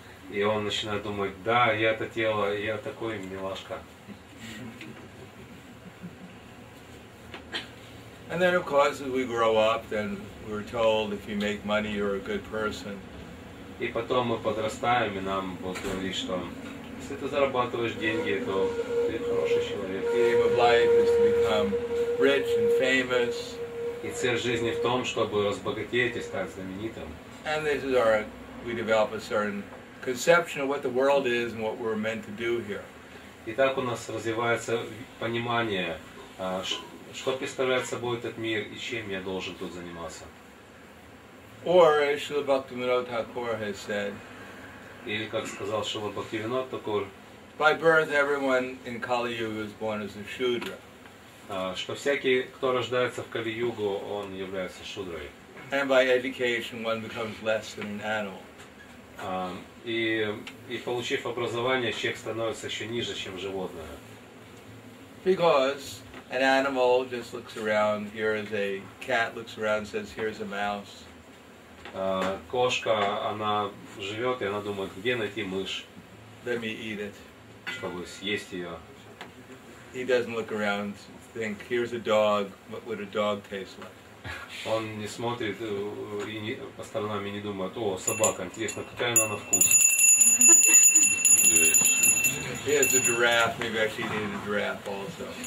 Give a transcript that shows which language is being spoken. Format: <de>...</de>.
<ru>И он начинает думать, да, я это тело, я такой милашка.</ru> <en>And then of course as we grow up, then we're told if you make money you're a good person.</en> <ru>И потом мы подрастаем, и нам будут говорить, что если ты зарабатываешь деньги, то ты хороший человек.</ru> <en>The aim of life is to become rich and famous.</en> <ru>И цель жизни в том, чтобы разбогатеть и стать знаменитым.</ru> <en>And this is our, we develop a certain conception of what the world is and what we're meant to do here.</en> <ru>И так у нас развивается понимание, что представляет собой этот мир и чем я должен тут заниматься.</ru> <en>Or, as Śrīla Bhaktivinoda Thakura has said,</en> <ru>или как сказал Śrīla Bhaktivinoda Thakura,</ru> <en>by birth everyone in Kali Yuga is born as a Shudra.</en> <ru>Что всякий, кто рождается в Кали-Югу, он является шудрой.</ru> <en>And by education one becomes less than an animal.</en> <ru>И получив образование, человек становится еще ниже, чем животное.</ru> <en>Because an animal just looks around, here is a cat, looks around, says, here is a mouse.</en> <ru>Кошка, она живет, и она думает, где найти мышь,</ru> <en>let me eat it.</en> <ru>Чтобы съесть ее.</ru> <en>He doesn't look around. Think, here's a dog, what would a dog taste like?</en> <ru>Он не смотрит по сторонам и не думает, о, собака, интересно, какая она на вкус?</ru> <en>Here's a giraffe, maybe I should eat a giraffe also.</en>